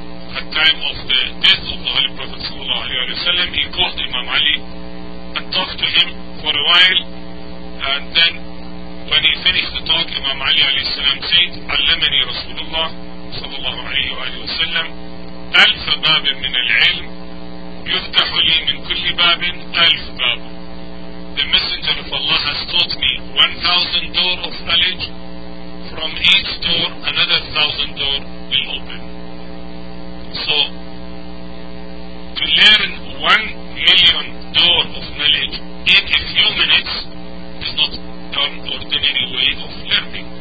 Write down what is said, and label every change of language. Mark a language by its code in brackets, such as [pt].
[en] At time of the death of the Holy Prophet sallallahu alayhi wa sallam, he called Imam Ali and talked to him for a while, and then When he finished the talk, Imam Ali alayhi salam said, [ar] علمني رسول الله صلى الله عليه وآله وسلم ألف باب من العلم يفتح لي من كل باب ألف باب. [en] The Messenger of Allah has taught me 1,000 door of knowledge. From each door, another 1,000 door will open. So, to learn 1,000,000 door of knowledge in a few minutes is not an ordinary way of learning.